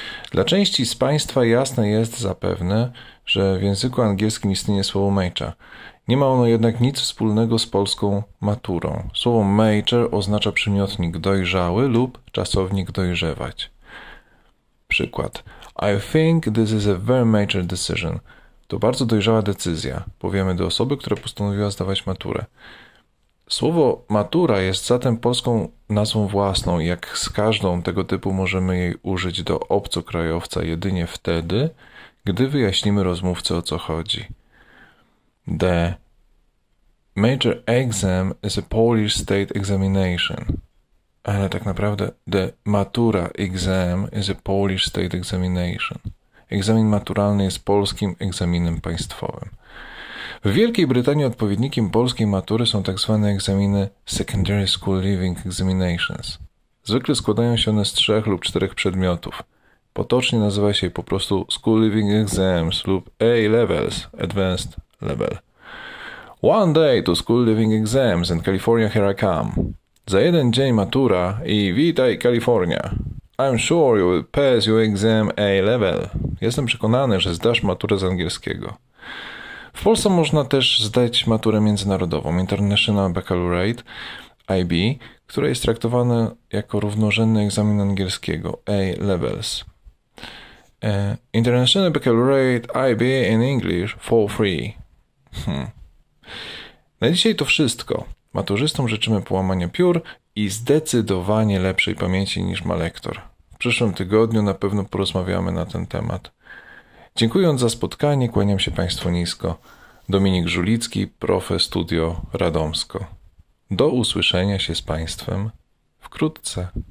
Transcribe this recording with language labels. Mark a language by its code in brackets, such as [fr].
[pl] Dla części z państwa jasne jest zapewne, że w języku angielskim istnieje słowo major. Nie ma ono jednak nic wspólnego z polską maturą. Słowo major oznacza przymiotnik dojrzały lub czasownik dojrzewać. Przykład. [en] I think this is a very major decision. [pl] To bardzo dojrzała decyzja, powiemy do osoby, która postanowiła zdawać maturę. Słowo matura jest zatem polską nazwą własną, jak z każdą tego typu możemy jej użyć do obcokrajowca jedynie wtedy, gdy wyjaśnimy rozmówcy, o co chodzi. [en] The major exam is a Polish state examination. [pl] Ale tak naprawdę [en] the matura exam is a Polish state examination. [pl] Egzamin maturalny jest polskim egzaminem państwowym. W Wielkiej Brytanii odpowiednikiem polskiej matury są tak zwane egzaminy [en] secondary school leaving examinations. [pl] Zwykle składają się one z trzech lub czterech przedmiotów. Potocznie nazywa się je po prostu [en] school leaving exams [pl] lub A-levels, advanced level. [en] One day to school leaving exams in California, here I come. [pl] Za jeden dzień matura i witaj, California. [en] I'm sure you will pass your exam A-level. [pl] Jestem przekonany, że zdasz maturę z angielskiego. W Polsce można też zdać maturę międzynarodową, International Baccalaureate, IB, która jest traktowana jako równorzędny egzamin angielskiego, A-levels. [en] International Baccalaureate, IB in English, for free. [pl] Na dzisiaj to wszystko. Maturzystom życzymy połamania piór i zdecydowanie lepszej pamięci niż ma lektor. W przyszłym tygodniu na pewno porozmawiamy na ten temat. Dziękując za spotkanie, kłaniam się państwu nisko. Dominik Żulicki, Profe Studio Radomsko. Do usłyszenia się z państwem wkrótce.